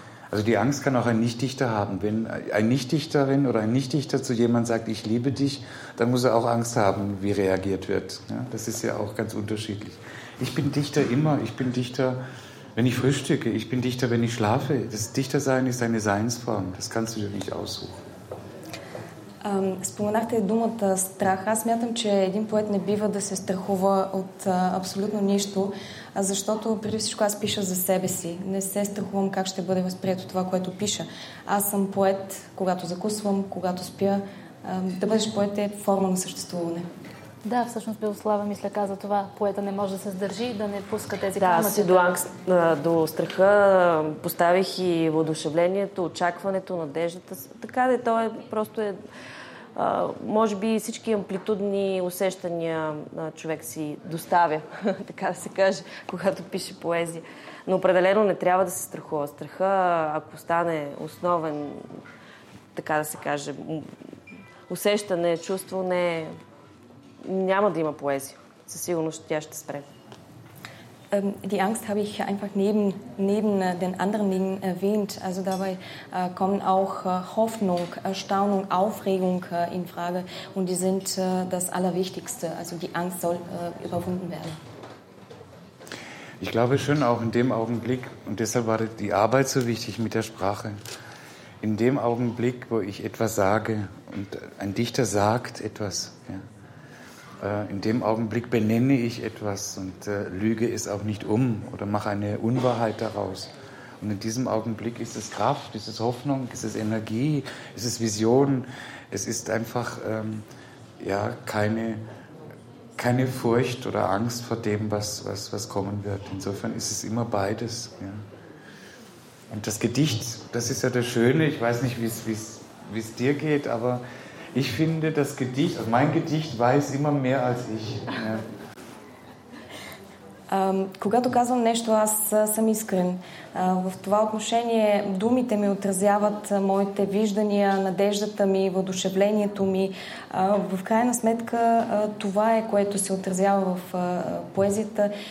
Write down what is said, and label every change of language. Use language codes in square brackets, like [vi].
[de] Also die Angst kann auch ein Nichtdichter haben. Wenn ein Nichtdichterin oder ein Nichtdichter zu jemand sagt, ich liebe dich, dann muss er auch Angst haben, wie reagiert wird. Ja, das ist ja auch ganz unterschiedlich. Ich bin Dichter immer. Ich bin Dichter, wenn ich frühstücke. Ich bin Dichter, wenn ich schlafe. Das Dichtersein ist eine Seinsform. Das kannst du dir nicht aussuchen. [bg] Споменахте думата страх. Аз смятам, че един поет не бива да се страхува от абсолютно нищо, защото преди всичко аз пиша за себе си. Не се страхувам как ще бъде възприето това, което пиша. Аз съм поет, когато закусвам, когато спя. Да бъдеш поет е форма на съществуване. Да, всъщност Белослава мисля каза това. Поета не може да се сдържи, да не пуска тези кърмата. Да, си до ангст, до страха поставих и въодушевлението, очакването, надеждата. Така да е, то е просто е, може би всички амплитудни усещания на човек си доставя, така да се каже, когато пише поезия. Но определено не трябва да се страхува. Страха, ако стане основен, така да се каже, усещане, чувство, не е... Няма да има поезия. Със сигурност тя ще спре. [de] Die Angst habe ich einfach neben den anderen Dingen erwähnt. Also dabei kommen auch Hoffnung, Erstaunung, Aufregung in Frage. Und die sind das Allerwichtigste. Also die Angst soll überwunden werden. Ich glaube schon auch in dem Augenblick, und deshalb war die Arbeit so wichtig mit der Sprache, in dem Augenblick, wo ich etwas sage und ein Dichter sagt etwas, ja, in dem Augenblick benenne ich etwas und lüge es auch nicht um oder mache eine Unwahrheit daraus. Und in diesem Augenblick ist es Kraft, ist es Hoffnung, ist es Energie, ist es Vision. Es ist einfach ja, keine Furcht oder Angst vor dem, was kommen wird. Insofern ist es immer beides. Ja. Und das Gedicht, das ist ja das Schöne. Ich weiß nicht, wie es dir geht, aber... Ich finde, das Gedicht, also mein Gedicht weiß immer mehr als ich. [bg] Когато казвам нещо, аз съм искрен. В това отношение думите ми отразяват моите виждания, надеждата ми, въодушевлението ми. В крайна сметка това е, което се отразява в поезията.